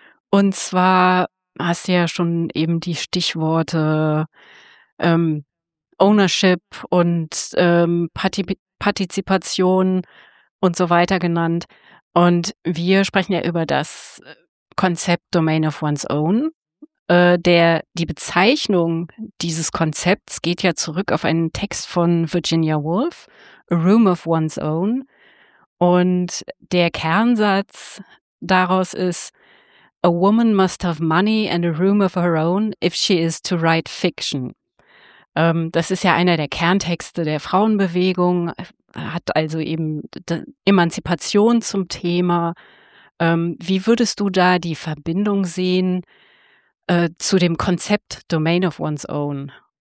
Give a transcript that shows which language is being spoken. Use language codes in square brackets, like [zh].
[de] Und zwar hast du ja schon eben die Stichworte Ownership und Partizipation und so weiter genannt. Und wir sprechen ja über das Konzept Domain of One's Own. Die Bezeichnung dieses Konzepts geht ja zurück auf einen Text von Virginia Woolf, A Room of One's Own. Und der Kernsatz daraus ist, [en] A woman must have money and a room of her own if she is to write fiction. [de] Das ist ja einer der Kerntexte der Frauenbewegung, hat also eben Emanzipation zum Thema. Wie würdest du da die Verbindung sehen zu dem Konzept Domain of One's Own?